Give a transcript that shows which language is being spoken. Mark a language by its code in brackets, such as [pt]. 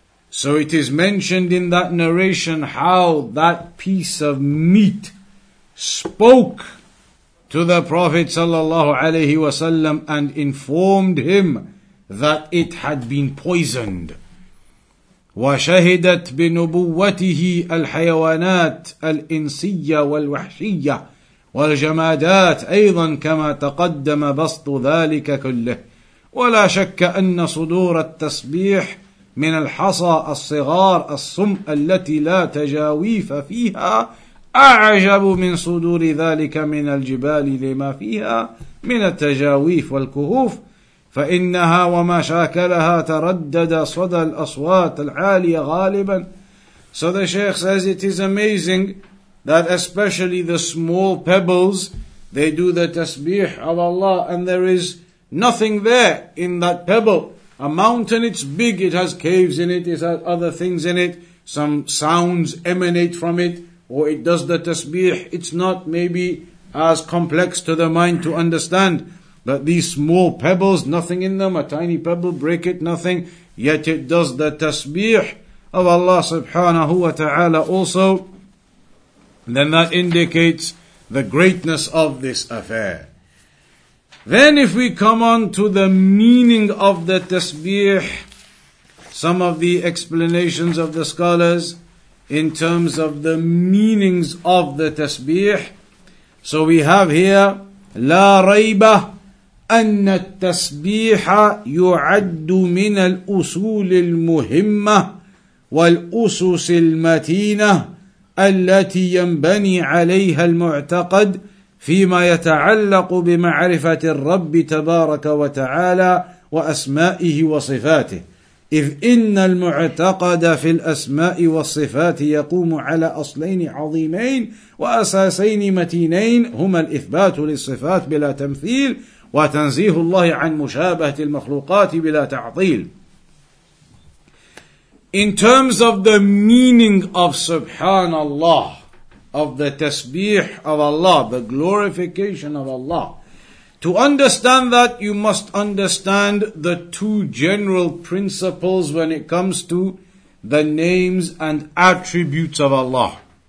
[en] So it is mentioned in that narration how that piece of meat spoke to the Prophet sallallahu alaihi wasallam and informed him that it had been poisoned. [ar] وَشَهِدَتْ بِنُبُوَّتِهِ الْحَيَوَانَاتِ الْإِنْسِيَّ وَالْوَحْشِيَّ وَالْجَمَادَاتِ أَيْضًا كَمَا تَقَدَّمَ بَسْطُ ذَلِكَ كُلِّهِ وَلَا شَكَّ أَنَّ صُدُورَ التَّسْبِيحِ من الحصى الصغار الصم التي لا تجاويف فيها أعجب من صدور ذلك من الجبال لما فيها من التجاويف والكهوف فإنها وما شاكلها تردد صدى الأصوات العالية غالبا. [en] So the Sheikh says it is amazing that especially the small pebbles, they do the tasbih of Allah and there is nothing there in that pebble. A mountain, it's big, it has caves in it, it has other things in it, some sounds emanate from it, or it does the tasbih, it's not maybe as complex to the mind to understand, but these small pebbles, nothing in them, a tiny pebble, break it, nothing, yet it does the tasbih of Allah subhanahu wa ta'ala also, then that indicates the greatness of this affair. Then if we come on to the meaning of the tasbih, some of the explanations of the scholars in terms of the meanings of the tasbih. So we have here, [ar] لا ريب أن التسبيح يعد من الأصول المهمة والأسس المتينة التي ينبني عليها المعتقد فيما يتعلق بمعرفة الرب تبارك وتعالى وأسمائه وصفاته إذ إن المعتقد في الأسماء والصفات يقوم على أصلين عظيمين وأساسين متينين هما الإثبات للصفات بلا تمثيل وتنزيه الله عن مشابهة المخلوقات بلا تعطيل. [en] In terms of the meaning of Subhanallah, of the tasbih of Allah, the glorification of Allah. To understand that, you must understand the two general principles when it comes to the names and attributes of Allah.